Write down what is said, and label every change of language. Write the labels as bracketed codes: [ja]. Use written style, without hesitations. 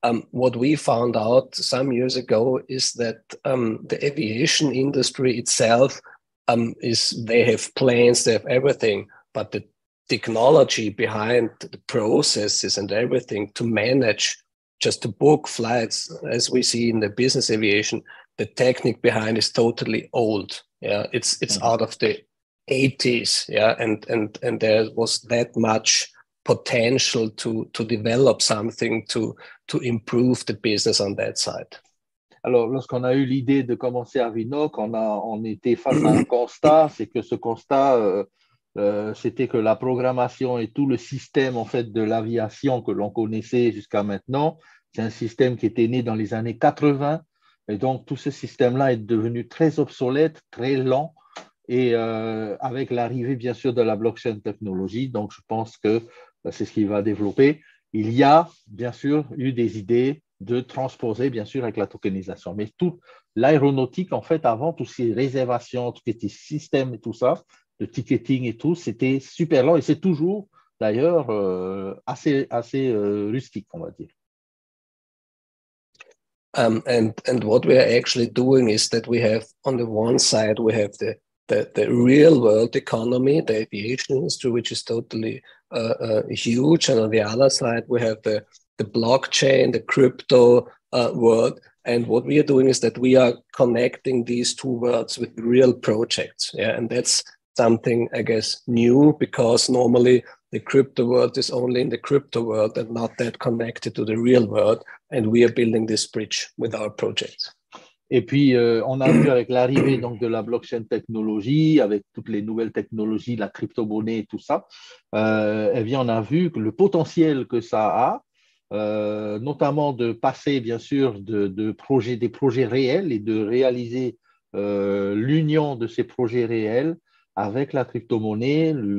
[en] What we found out some years ago is that the aviation industry itself is, they have plans, they have everything, but the technology behind the processes and everything to manage just to book flights, as we see in the business aviation, the technique behind is totally old. Yeah, it's out of the 80s. Yeah, and there was that much potential to develop something to improve the business on that side. [fr] Alors, lorsqu'on a eu l'idée de commencer à Avinoc, on était face à un constat, c'est que ce constat c'était que la programmation et tout le système en fait de l'aviation que l'on connaissait jusqu'à maintenant, c'est un système qui était né dans les années 80, et donc tout ce système-là est devenu très obsolète, très lent, et avec l'arrivée bien sûr de la blockchain technologie, donc je pense que c'est ce qu'il va développer. Il y a bien sûr eu des idées de transposer bien sûr avec la tokenisation, mais toute l'aéronautique en fait avant, toutes ces réservations, tous ces systèmes et tout ça, le ticketing et tout, c'était super lent et c'est toujours d'ailleurs assez rustique, on va dire. [en] And what we are actually doing is that we have, on the one side, we have the real world economy, the aviation industry, which is totally huge. And on the other side, we have the blockchain, the crypto world. And what we are doing is that we are connecting these two worlds with real projects. Yeah, and that's something, I guess, new, because normally the crypto world is only in the crypto world and not that connected to the real world. And we are building this bridge with our projects. [fr] Et puis, on a vu avec l'arrivée donc, de la blockchain technologie, avec toutes les nouvelles technologies, la crypto-monnaie et tout ça, eh bien, on a vu que le potentiel que ça a, notamment de passer, bien sûr, des projets réels et de réaliser l'union de ces projets réels avec la crypto-monnaie.